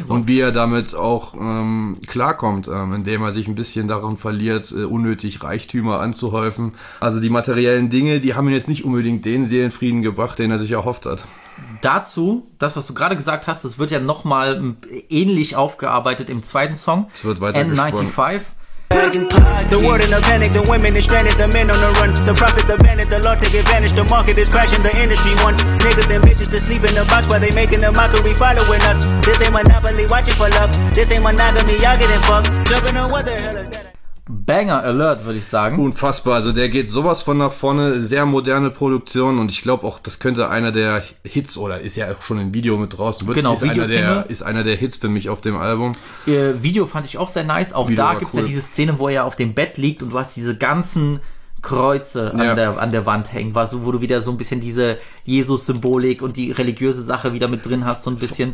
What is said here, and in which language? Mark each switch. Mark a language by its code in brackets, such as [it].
[de] So. Und wie er damit auch klarkommt, indem er sich ein bisschen daran verliert, unnötig Reichtümer anzuhäufen. Also die materiellen Dinge, die haben ihn jetzt nicht unbedingt den Seelenfrieden gebracht, den er sich erhofft hat. dazu, das, was du gerade gesagt hast, das wird ja nochmal ähnlich aufgearbeitet im zweiten Song. Es wird weiter N95. [en] The world in a panic, the women is stranded, the men on the run. The prophets have vanished, the law take advantage. The market is crashing, the industry wants niggas and bitches to sleep in the box while they making a mockery following us. This ain't monopoly, watching for luck. This ain't monogamy, y'all getting fucked. Jumping on what the hell is that? [de] Banger Alert, würde ich sagen. Unfassbar, also der geht sowas von nach vorne, sehr moderne Produktion und ich glaube auch, das könnte einer der Hits, oder ist ja auch schon ein Video mit draußen, wird, genau, ist einer der Hits für mich auf dem Album. Ihr Video fand ich auch sehr nice, auch Video da gibt es cool. Ja diese Szene, wo er auf dem Bett liegt und du hast diese ganzen Kreuze an der Wand hängen, wo du wieder so ein bisschen diese Jesus-Symbolik und die religiöse Sache wieder mit drin hast, so ein bisschen.